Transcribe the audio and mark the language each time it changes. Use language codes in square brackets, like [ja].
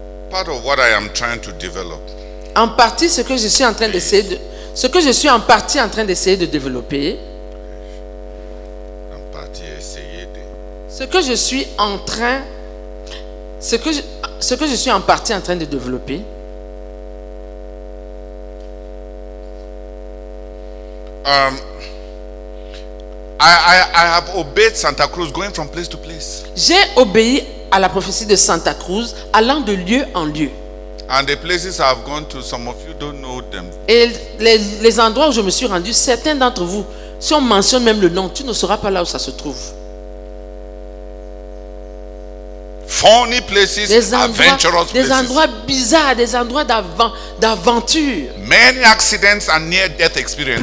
[en] part of what I am trying to develop, [fr] en partie ce que je suis en train d'essayer de, ce que je suis en partie en train d'essayer de développer, en partie essayer de, ce que je suis en train, ce que je suis en partie en train de développer, [en] I have obeyed Santa Cruz going from place to place. [fr] J'ai obéi à la prophétie de Santa Cruz allant de lieu en lieu. [en] And the places I've gone to, some of you don't know them. [fr] Et les endroits où je me suis rendu, certains d'entre vous, si on mentionne même le nom, tu ne sauras pas là où ça se trouve. [en] Funny places, [fr] des endroits, [en] adventurous places. [fr] Des endroits bizarres, des endroits d'aventure. [en] Many accidents and near-death experiences.